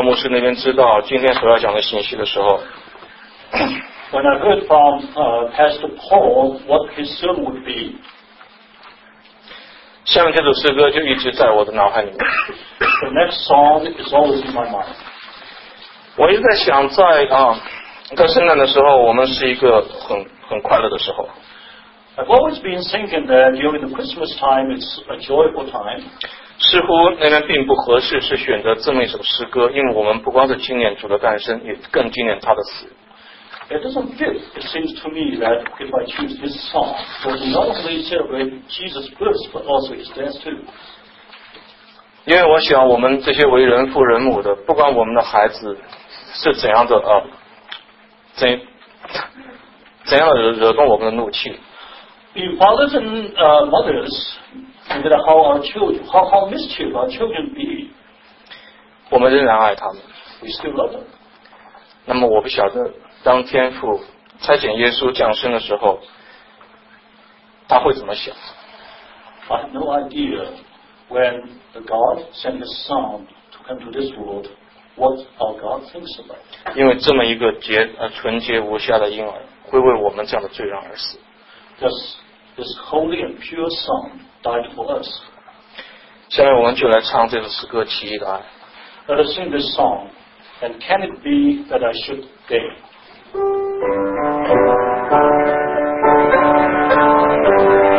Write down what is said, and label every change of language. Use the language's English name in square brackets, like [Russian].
[Chinese] 那边知道今天所要讲的信息的时候 [English] when I heard from Pastor Paul what his sermon would be [Chinese] 下面这首诗歌就一直在我的脑海里面 [English] the next song is always in my mind [Chinese] 我一直在想在在圣诞的时候我们是一个很快乐的时候 [English] I've always been thinking that during the Christmas time it's a joyful time [Chinese] 似乎那边并不合适是选择这么一首诗歌因为我们不光是纪念主的诞生也更纪念他的死 [English] It doesn't fit it seems to me that if I choose this song for not only celebrate Jesus' birth but also his death too [Chinese] 因为我想我们这些为人父人母的不管我们的孩子是怎样的怎样的 惹动我们的怒气 [English] In fathers and mothers And then how our children, how mischief our children be. [Chinese] 我们仍然爱他们。 [English] We still love them. [Chinese] 那么我不晓得，当天父差遣耶稣降生的时候，他会怎么想 [English] ？I have no idea when the God sent His Son to come to this world. What our God thinks about. [Chinese] 因为这么一个纯洁无瑕的婴儿，会为我们这样的罪人而死。 [English] This holy and pure Son. Died for us. [Chinese] 下面我们就来唱这首诗歌《奇异的爱》。 [English] Let us sing this song. And can it be that I should gain?